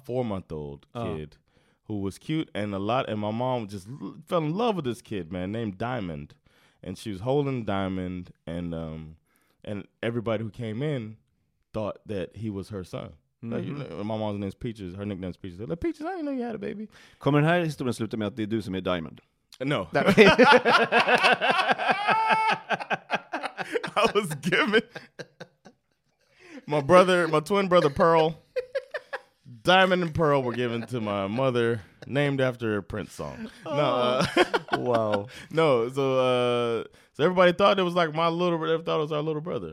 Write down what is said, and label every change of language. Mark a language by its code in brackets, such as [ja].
[en] 4-month-old kid, who was cute and a lot. And my mom just fell in love with this kid, man, named Diamond, and she was holding Diamond, and everybody who came in thought that he was her son. Mm-hmm. Like, you know, my mom's name's Peaches. Her nickname's Peaches. They're like, Peaches, I didn't know you had a baby. [sv] Kommer den här historien sluta med att det är du som är Diamond? [en] No. I was given my twin brother Pearl. Diamond and Pearl were given to my mother, named after a Prince song. wow. No, so everybody thought it was like my little brother. Thought it was our little brother.